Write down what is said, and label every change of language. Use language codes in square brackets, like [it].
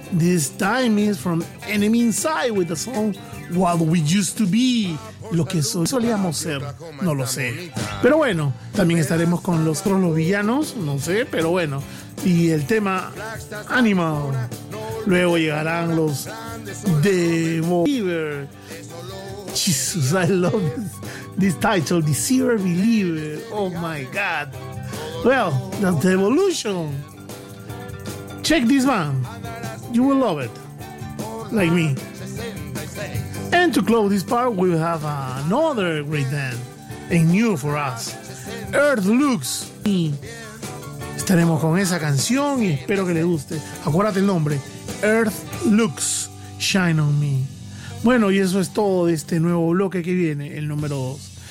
[en] This time is from Enemy Inside with the song What We Used to Be. [es] Lo que solíamos ser, no lo sé. Pero bueno, también estaremos con los cronos villanos, no sé, pero bueno. Y el tema Animal. Luego llegarán los The Believer. [en] Jesus, I love this title, The Seer Believer. Oh my God. Well, that's the evolution. Check this one. You will love it. Like me. And to close this part, we have another great band. And new for us. Earth Lux. [es] Estaremos con esa canción y espero que le guste. Acuérdate el nombre. Earth Lux. [en] Shine on me. [es] Bueno, y eso es todo de este nuevo bloque que viene, el número 2.